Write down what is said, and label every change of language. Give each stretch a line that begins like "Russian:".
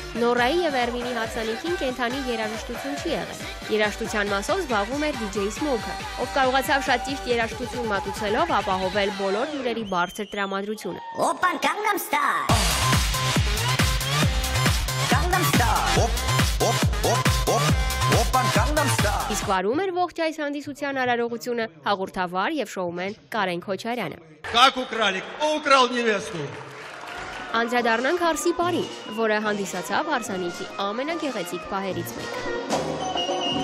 Armenian: Նորայի եւ Էրվինի հարսանիքին կենթանի երաժշտություն չի եղել։ Երաժշտության մասով զբաղվում էր DJ Smoke-ը, ով կարողացավ շատ ճիշտ երաժշտություն մատուցելով ապահովել բոլոր հյուրերի բարձր տրամադրությունը։
English: Oppa Gangnam Style. Gangnam Style.
Armenian: Իսկ վարում էր ողջ այս հանդիսության արարողությունը հաղորդավար եւ շոումեն Կարեն Քոչարյանը։
Russian: Как украли, украл невесту.
Armenian: Անդրադառնանք հարսի բարի, որը հանդիսացավ հարսանիքի ամենագեղեցիկ պահերից մեկը։